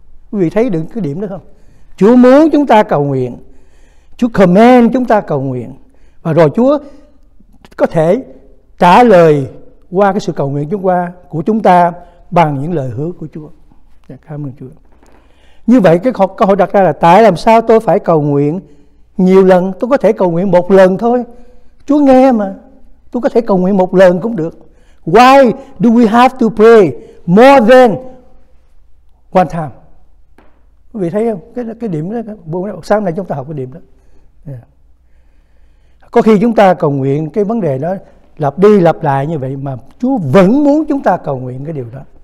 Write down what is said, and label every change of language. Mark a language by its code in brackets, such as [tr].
[vi] Quý vị thấy được cái điểm đó không? Chúa muốn chúng ta cầu nguyện, Chúa command chúng ta cầu nguyện, và rồi Chúa có thể trả lời qua cái sự cầu nguyện của chúng ta bằng những lời hứa của Chúa. Cảm ơn Chúa. Như vậy cái câu hỏi đặt ra là tại làm sao tôi phải cầu nguyện nhiều lần? Tôi có thể cầu nguyện một lần thôi, Chúa nghe mà. Tôi có thể cầu nguyện một lần cũng được. [en] Why do we have to pray more than one time? [vi] Quý vị thấy không? Cái điểm đó, sáng nay chúng ta học cái điểm đó. Có khi chúng ta cầu nguyện cái vấn đề đó lặp đi lặp lại như vậy mà Chúa vẫn muốn chúng ta cầu nguyện cái điều đó.